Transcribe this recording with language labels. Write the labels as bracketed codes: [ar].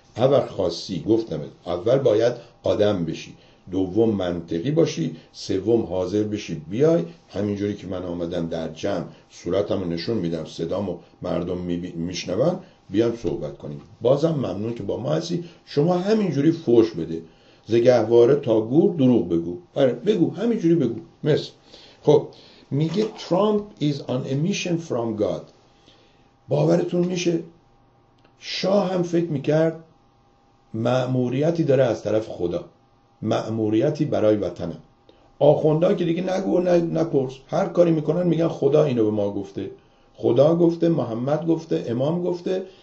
[fa] اول خاصی گفتم اول باید آدم بشی، دوم منطقی باشی، سوم حاضر بشی بیای همینجوری که من آمدم در جمع صورتمو نشون میدم، صدامو مردم میشنون، بیام صحبت کنیم. بازم ممنون که با ما هستی. شما همینجوری فوش بده، ز گهواره تا گور دروغ بگو. آره بگو، همینجوری بگو. مثل خب میگه [en] Trump is on a mission from God. [fa] باورتون میشه؟ شاه هم فکر میکرد مأموریتی داره از طرف خدا، مأموریتی برای وطنه. آخوندها که دیگه نگو و نپرس، هر کاری میکنن میگن خدا اینو به ما گفته، خدا گفته، محمد گفته، امام گفته.